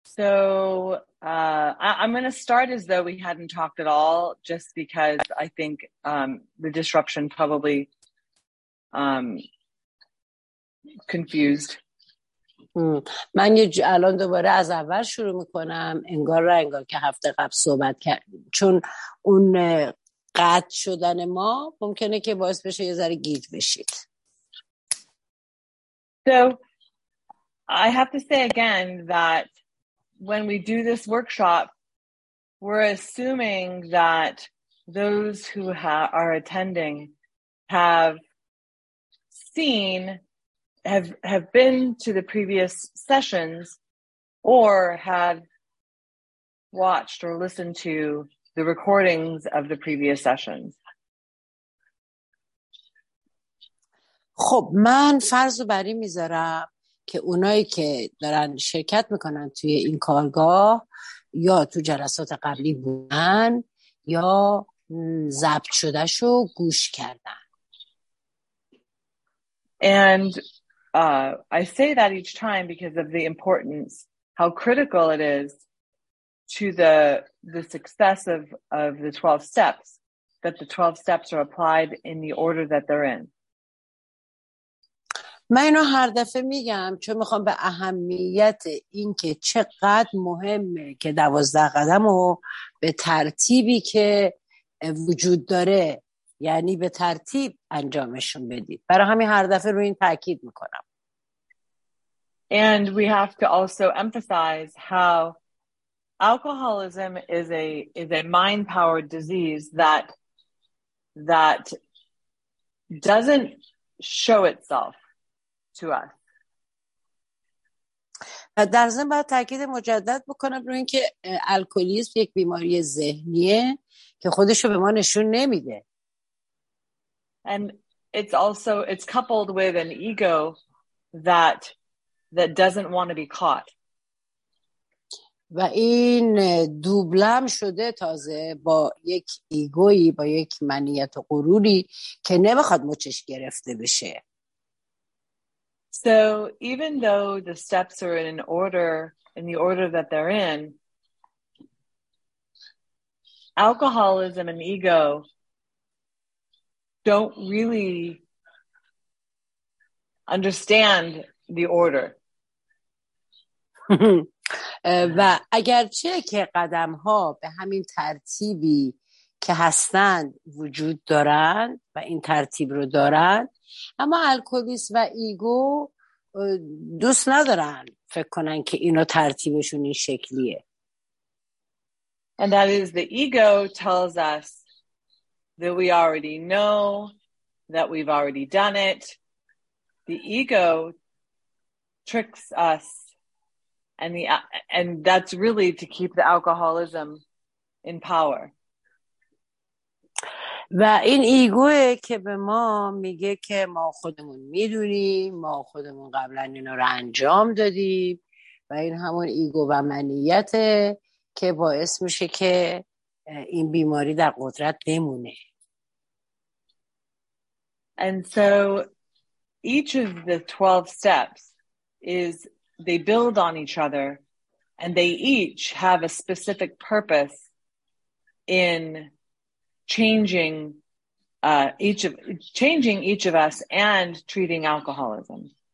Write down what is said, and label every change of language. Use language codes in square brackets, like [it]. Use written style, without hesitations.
[en] I'm going to start as though we hadn't talked at all, just because I think the disruption probably confused. [fa] من الان دوباره از اول شروع میکنم انگار رنگا که هفته قبل صحبت کردیم، چون اون قطع شدن ما ممکنه که باعث بشه یه ذره گیج بشید. [en] So I have to say again that when we do this workshop, we're assuming that those who are attending have been to the previous sessions or have watched or listened to the recordings of the previous sessions. [fa] خب من فرض بر این میذارم که اونایی که دارن شرکت میکنن توی این کارگاه یا تو جلسات قبلی بودن یا ضبط شده شو گوش کردن. [en] And I say that each time because of the importance, how critical it is to the success of the 12 steps, that the 12 steps are applied in the order that they're in. [fa] من اینو هر دفعه میگم چون میخوام به اهمیت این که چقدر مهمه که 12 قدم رو به ترتیبی که وجود داره، یعنی به ترتیب انجامشون بدید. برای همین هر دفعه روی این تاکید میکنم. [en] And we have to also emphasize how alcoholism is a mind power disease that doesn't show itself to us. [fa] در ضمن باید تاکید مجدد بکنم روی اینکه الکلیسم یک بیماری ذهنیه که خودش رو به ما نشون نمیده. [en] And it's coupled with an ego that doesn't want to be caught. [fa] و این دوبلم شده تازه با یک ایگویی، با یک منیت و غروری که نمیخواد مچش گرفته بشه. [en] So even though the steps are in an order, in the order that they're in, alcoholism and ego don't really understand the order. [fa] و اگرچه که قدم ها به همین ترتیبی که هستند وجود دارند و این ترتیب رو دارند، اما الکلیسم و ایگو دوست ندارن فکر کنن که اینو ترتیبشون این شکلیه. [en] And that is the ego tells us that we already know, that we've already done it. The ego tricks us and that's really to keep the alcoholism in power. [fa] و این ایگوه که به ما میگه که ما خودمون میدونیم، ما خودمون قبلا اینا رو انجام دادیم، و این همون ایگو و منیته که باعث میشه که این بیماری در قدرت بمونه. [en] And so each of the 12 steps is they build on each other and they each have a specific purpose in changing each of us and treating alcoholism.